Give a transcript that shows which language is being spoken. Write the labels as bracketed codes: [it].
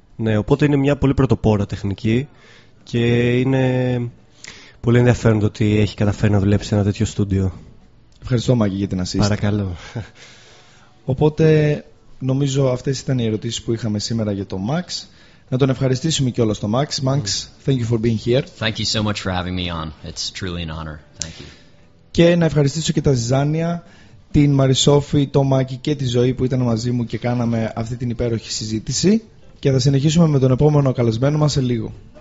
[el] Ναι, οπότε είναι μια πολύ πρωτοπόρα τεχνική και είναι πολύ ενδιαφέρον το ότι έχει καταφέρει να δουλέψει σε ένα τέτοιο στούντιο. Ευχαριστώ, Μάγκη, για την assist. Παρακαλώ. Οπότε νομίζω αυτές ήταν οι ερωτήσεις που είχαμε σήμερα για τον Max. Να τον ευχαριστήσουμε κιόλας τον Max. [en] Max, thank you for being here. Thank you so much for having me on. It's truly an honor. Thank you. [el] Και να ευχαριστήσω και τα Ζιζάνια, την Μαρισόφη, τον Μάκη και τη Ζωή που ήταν μαζί μου και κάναμε αυτή την υπέροχη συζήτηση. Και θα συνεχίσουμε με τον επόμενο καλεσμένο μας σε λίγο.